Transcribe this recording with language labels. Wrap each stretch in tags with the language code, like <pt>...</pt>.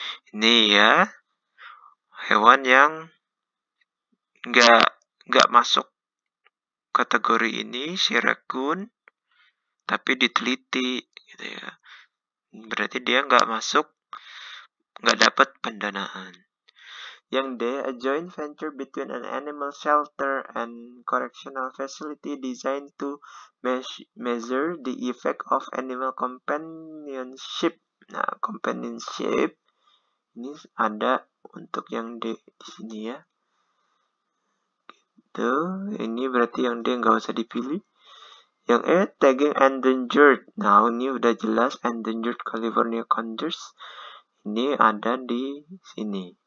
<id>Ini ya, hewan yang nggak masuk kategori ini, si raccoon, tapi diteliti gitu ya. Berarti dia nggak masuk, nggak dapat pendanaan. Yang D,</id> <en>a joint venture between an animal shelter and correctional facility designed to measure the effect of animal companionship.</en> <id>Nah, companionship ini ada untuk yang D di sini ya. Gitu. Ini berarti yang D nggak usah dipilih. Yang E, tagging endangered. Nah, ini udah jelas endangered California condors. Ini ada di sini.</id>